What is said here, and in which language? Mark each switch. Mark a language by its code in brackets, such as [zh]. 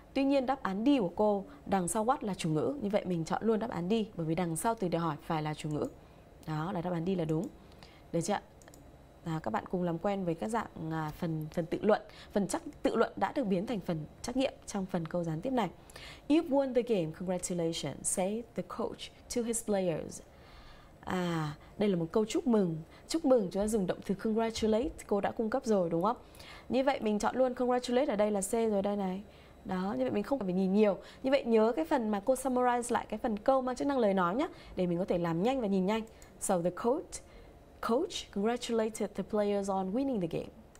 [vi] Tuy nhiên đáp án D của cô đằng sau what là chủ ngữ. Như vậy mình chọn luôn đáp án D bởi vì đằng sau từ để hỏi phải là chủ ngữ. Đó là đáp án D là đúng. Được chưa ạ? À, các bạn cùng làm quen với các dạng phần tự luận, phần trắc tự luận đã được biến thành phần trắc nghiệm trong phần câu gián tiếp này. [en] You've won the game, congratulations, say the coach to his players. [vi] Đây là một câu chúc mừng. Chúc mừng chúng ta dùng động từ congratulate, cô đã cung cấp rồi đúng không? Như vậy mình chọn luôn congratulate ở đây là C rồi đây này. Đó, như vậy mình không cần phải nhìn nhiều. Như vậy nhớ cái phần mà cô summarize lại cái phần câu mang chức năng lời nói nhé, để mình có thể làm nhanh và nhìn nhanh. [en] So the coach congratulated the players on winning the game.